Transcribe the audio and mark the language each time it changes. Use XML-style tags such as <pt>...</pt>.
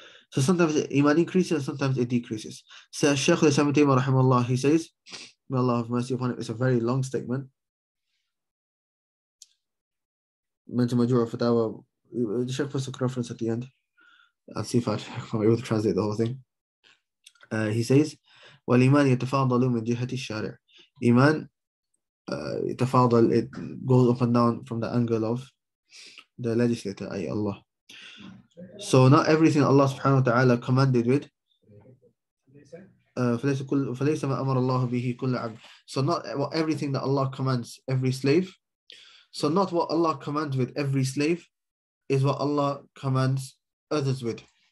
<en>So sometimes Iman increases, sometimes it decreases. So Shaykh al-Islam ibn Taymiyyah rahimahullah, he says, may Allah have mercy upon him. It's a very long statement. Mention Majmu' Fatawa. The Shaykh puts a reference at the end. I'll see if I'm able to translate the whole thing. He says,</en> <ar>وَالْإِيمَانِ يَتَفَاضَلُ مِنْ جِهَةِ الشَّارِعِ.</ar> <en>Iman, يَتَفَاضَلُ, it goes up and down from the angle of the legislator, i.e. Allah. So not everything Allah subhanahu wa ta'ala commanded with.</en> <ar>فَلَيْسَ مَا أَمَرَ اللَّهُ بِهِ كُلَّ عَبْدٍ.</ar> <en>So not what everything that Allah commands every slave. So not what Allah commands with every slave is what Allah commands others with.</en>